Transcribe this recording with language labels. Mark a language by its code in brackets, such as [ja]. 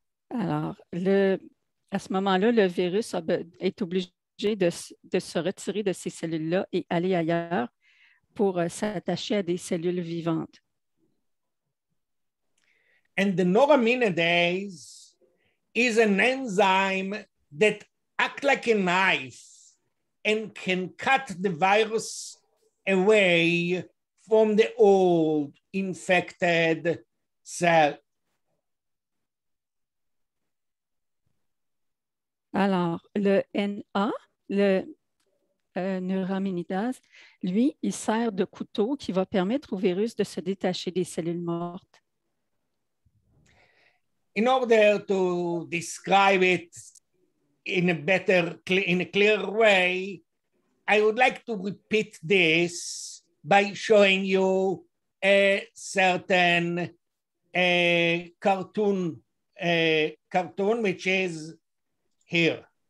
[fr] Alors, à ce moment-là, le virus est obligé de se retirer de ces cellules-là et aller ailleurs pour s'attacher à des cellules vivantes. [en] And the neuraminidase is an enzyme that acts like a knife and can cut the virus away from the old infected cell. [fr] Alors, le NA, le neuraminidase, lui, il sert de couteau qui va permettre au virus de se détacher des cellules mortes. [en] In order to describe it in a better, in a clearer way, I would like to repeat this by showing you a certain cartoon, which is here.